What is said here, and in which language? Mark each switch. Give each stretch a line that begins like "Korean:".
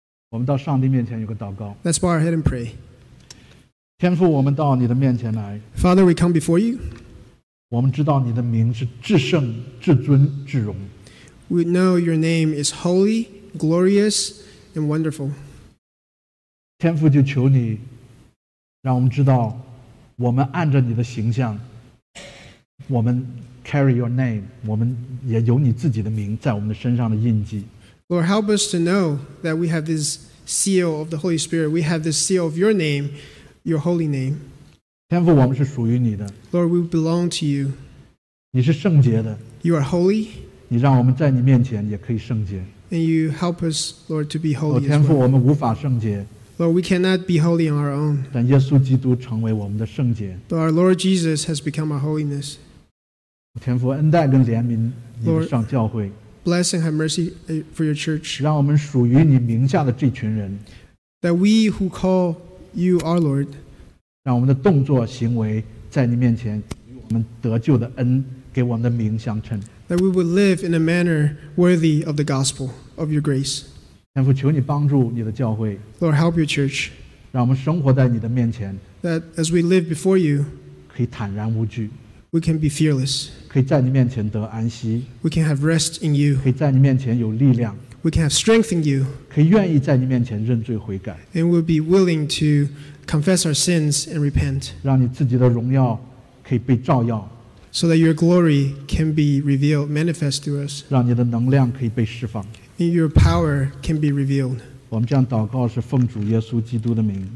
Chinese: 我们到上帝面前有个祷告。
English: Let's bow our head and pray.
Chinese: 天父，我们到你的面前来。
English: Father, we come before you.
Chinese: 我们知道你的名是至圣、至尊、至荣。
English: We know your name is holy, glorious, and wonderful.
Chinese: 天父，就求你让我们知道，我们按着你的形象，我们
English: carry your name,
Chinese: 我们也有你自己的名在我们的身上的印记。
English: Lord, help us to know that we have this seal of the Holy Spirit. We have this seal of your name. Your holy name.
Chinese: 天父，我们是属于你的。
English: Lord, we belong to you.
Chinese: 你是圣洁的。
English: You are holy.
Chinese: 你让我们在你面前也可以圣洁。
English: And you help us, Lord, to be holy.
Chinese: 天父，我们无法圣洁。
English: Lord, we cannot be holy on our own.
Chinese: 但耶稣基督成为我们的圣洁。
English: Though our Lord Jesus has become our holiness.
Chinese: 天父，恩待跟怜悯你们上教会。
English: Lord, bless and have mercy for your church.
Chinese: 让我们属于你名下的这群人。
English: That we who callYou are Lord.
Chinese: 让我们的动作行为在你面前与我们得救的恩给我们的名相称。
English: That we would live in a manner worthy of the gospel of your grace.
Chinese: 天父，求你帮助你的教会。
English: Lord, help your church.
Chinese: 让我们生活在你的面前。
English: That as we live before you,
Chinese: 可以坦然无惧。
English: We can be fearless.
Chinese: 可以在你面前得安息。
English: We can have rest in you.
Chinese: 可以在你面前有力量。
English: We can have strength in you.
Chinese: 可以愿意在你面前认罪悔改。
English: And we'll be willing to confess our sins and repent.
Chinese: 让你自己的荣耀可以被照耀。
English: So that your glory can be revealed, manifest to us.
Chinese: 让你的能量可以被释放。
English: And your power can be revealed.
Chinese: 我们这样祷告是奉主耶稣基督的名。